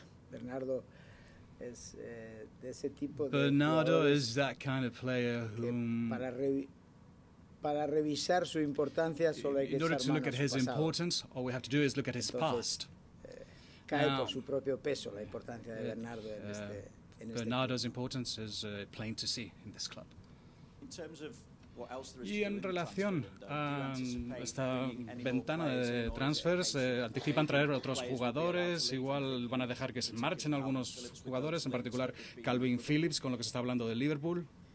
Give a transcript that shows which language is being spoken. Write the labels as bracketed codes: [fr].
[es] Bernardo es de ese tipo de [en] Bernardo is that kind of player whom [es] para revisar su importancia solo hay que echar mano a su pasado. [en] We have to do is look at his past. [es] Cae por su propio peso la importancia de Bernardo en este [en] Bernardo's importance is plain to see in this club. In terms of what else there is [es] y en relación a esta ventana de transfers, ¿anticipan traer otros jugadores? Igual van a dejar que se marchen algunos jugadores, en particular Calvin Phillips, con lo que se está hablando de Liverpool.